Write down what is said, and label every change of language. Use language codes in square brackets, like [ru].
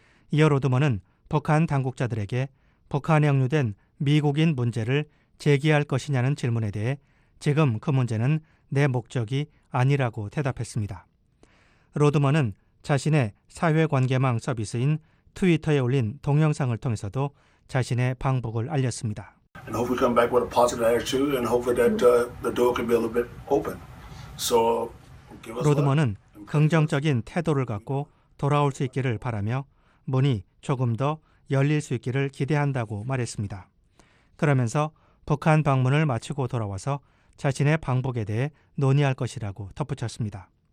[ko] 이어 로드먼은 북한 당국자들에게 북한에 역류된 미국인 문제를 제기할 것이냐는 질문에 대해 지금 그 문제는 내 목적이 아니라고 대답했습니다. 로드먼은 자신의 사회관계망 서비스인 트위터에 올린 동영상을 통해서도 자신의 방북을 알렸습니다. [en] And hope we come back with a positive attitude and hope that the door can be a little bit open. So, give us [ko] 로드먼은 긍정적인 태도를 갖고 돌아올 수 있기를 바라며 문이 조금 더 열릴 수 있기를 기대한다고 말했습니다. 그러면서 북한 방문을 마치고 돌아와서 자신의 방북에 대해 논의할 것이라고 덧붙였습니다.